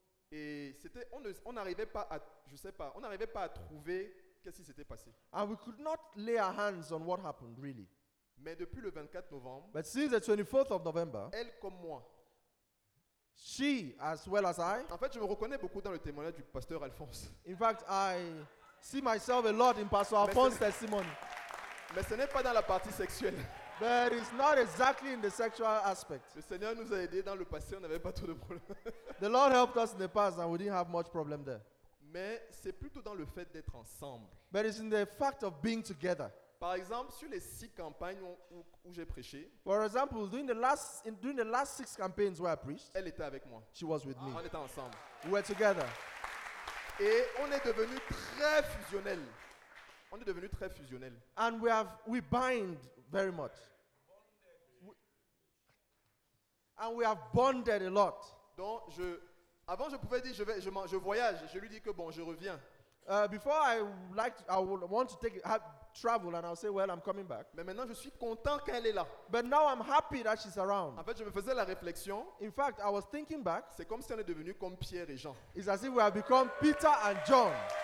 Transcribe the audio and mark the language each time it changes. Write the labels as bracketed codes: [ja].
[fr] Et c'était, on n'arrivait pas à trouver qu'est-ce qui s'était passé. [en] And we could not lay our hands on what happened, really. [fr] Mais depuis le 24 novembre, [en] but since the 24th of November, [fr] elle comme moi, [en] she as well as I, [fr] en fait, je me reconnais beaucoup dans le témoignage du pasteur Alphonse. [en] In fact, I see myself a lot in Pastor Alphonse's testimony. [fr] Mais ce n'est pas dans la partie sexuelle. [en] But it's not exactly in the sexual aspect. [fr] Le Seigneur nous a aidés dans le passé, on n'avait pas trop de problèmes. [en] The Lord helped us in the past and we didn't have much problem there. [fr] Mais c'est plutôt dans le fait d'être ensemble. [en] But it's in the fact of being together. [fr] Par exemple, sur les 6 campagnes où j'ai prêché. [en] For example, during the last 6 campaigns where I preached. [fr] Elle était avec moi. [en] She was with me. [fr] On était ensemble. [en] We were together. [fr] Et on est devenu très fusionnel. On est devenu très fusionnel. [en] And we bind very much. And we have bonded a lot. [fr] Donc avant je pouvais dire je voyage, je lui dis que bon je reviens. [en] Before I would want to travel and I'll say well I'm coming back. [fr] Mais maintenant je suis content qu'elle est là. [en] But now I'm happy that she's around. [fr] En fait je me faisais la réflexion. [en] In fact I was thinking back. [fr] C'est comme si on est devenu comme Pierre et Jean. [en] It's as if we have become Peter and John.